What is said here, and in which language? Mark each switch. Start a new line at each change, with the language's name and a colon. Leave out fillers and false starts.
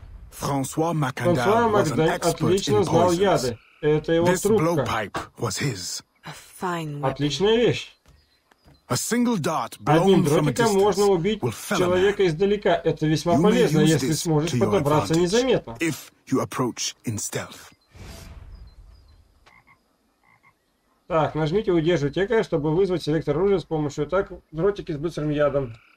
English: François Macandal was an expert in poisons.
Russian: Отлично знал яды. Это его трубка.
English: This blowpipe was his. A fine weapon.
Russian: Отличная вещь.
English: A single dart blown from a distance.
Russian: Одним дротиком можно убить человека издалека. Это весьма полезно, если сможешь подобраться незаметно.
English: If you approach in stealth.
Russian: Так, нажмите удерживать ЭКР, чтобы вызвать селектор оружия с помощью так дротики с быстрым ядом.